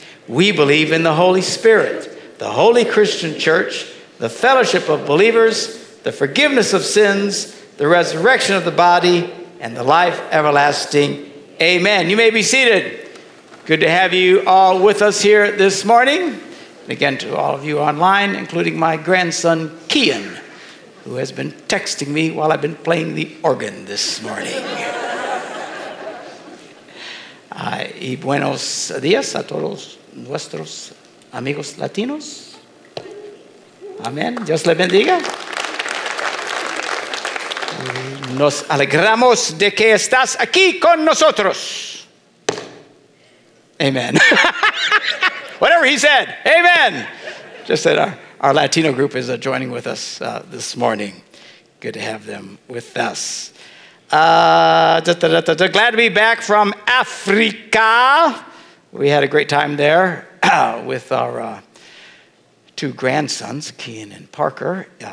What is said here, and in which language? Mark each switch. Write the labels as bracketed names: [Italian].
[English] We believe in the Holy Spirit, the Holy Christian Church, the fellowship of believers, the forgiveness of sins, the resurrection of the body, and the life everlasting. Amen. You may be seated. Good to have you all with us here this morning. And again, to all of you online, including my grandson, Kian, who has been texting me while I've been playing the organ this morning. [Spanish] Y buenos días a todos nuestros amigos latinos. Amén. Dios le bendiga. Nos alegramos de que estás aquí con nosotros. [English] Amen. Whatever he said. Amen. Just that our Latino group is joining with us this morning. Good to have them with us. Glad to be back from Africa. We had a great time there with our two grandsons, Kian and Parker.